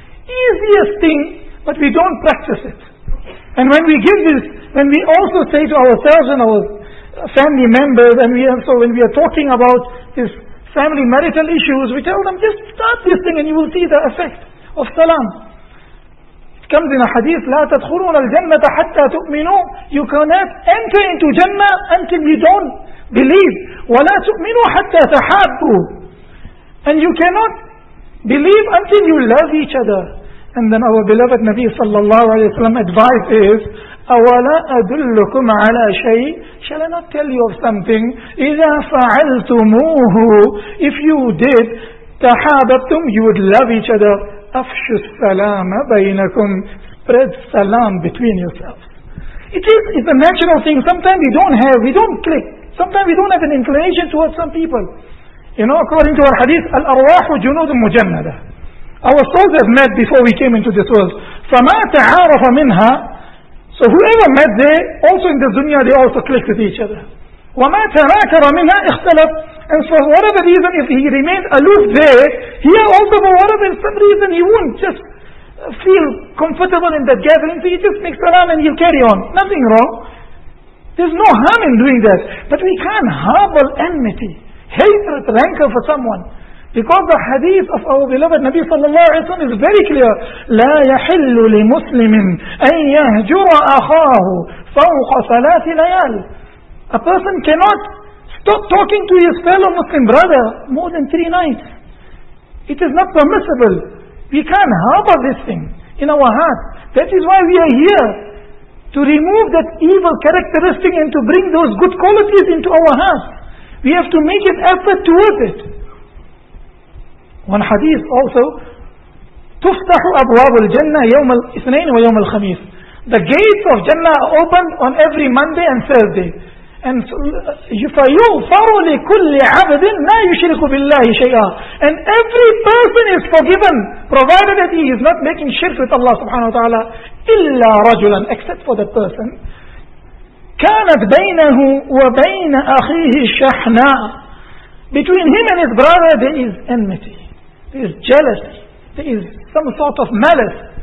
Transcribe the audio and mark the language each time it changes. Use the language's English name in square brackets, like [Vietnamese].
[English] Easiest thing, but we don't practice it. And when we give this, when we also say to ourselves and our family members, and we also, when we are talking about this family marital issues, we tell them, just start this thing and you will see the effect of salam. Comes in a hadith, [Arabic] لا تدخلون الجنة حتى تؤمنوا. [English] You cannot enter into Jannah until you don't believe. [Arabic] ولا تؤمنوا حتى تحابوا. [English] And you cannot believe until you love each other. And then our beloved Nabi صلى الله عليه وسلم advice is, [Arabic] أولا أدلكم على شيء. [English] Shall I not tell you of something? [Arabic] إذا فعلتموه. [English] If you did, تحاببتم, you would love each other. [Arabic] أفشوا السلام بينكم. [English] Spread salam between yourselves. It's a natural thing. Sometimes we don't click. Sometimes we don't have an inclination towards some people. You know, according to our hadith, [Arabic] الأرواح جنود مجندة. [English] Our souls have met before we came into this world. [Arabic] فما تعارف منها. [English] So whoever met there, also in the dunya, they also clicked with each other. [Arabic] وما تراكر منها اختلف. [English] And for whatever reason, if he remained aloof there, here also for whatever some reason he won't just feel comfortable in that gathering, so he just makes salam and he'll carry on. Nothing wrong. There's no harm in doing that. But we can't harbor enmity, hatred, rancor for someone. Because the hadith of our beloved Nabi sallallahu alayhi wa sallam is very clear. [Arabic] لا يحل لمسلم أن يهجر أخاه فوق ثلاث ليال. [English] A person cannot stop talking to his fellow Muslim brother more than 3 nights. It is not permissible. We can't harbor this thing in our heart. That is why we are here, to remove that evil characteristic and to bring those good qualities into our heart. We have to make an effort towards it. One hadith also, [Arabic] تُفْتَحُ أَبْوَابُ الْجَنَّةِ يَوْمَ الْإِثْنَيْنِ وَيَوْمَ الْخَمِيسِ. [English] The gates of Jannah are opened on every Monday and Thursday. [Arabic] And فَيُغْفَرُ لِكُلِّ عَبْدٍ لَا يُشْرِكُ بِاللَّهِ شَيْئًا. [English] And every person is forgiven, provided that he is not making shirk with Allah subhanahu wa ta'ala. [Arabic] إِلَّا رَجُلًا, [English] except for that person. [Arabic] كَانَتْ بَيْنَهُ وَبَيْنَ أَخِيهِ الشَّحْنَاءِ. [English] Between him and his brother there is enmity, there is jealousy, there is some sort of malice.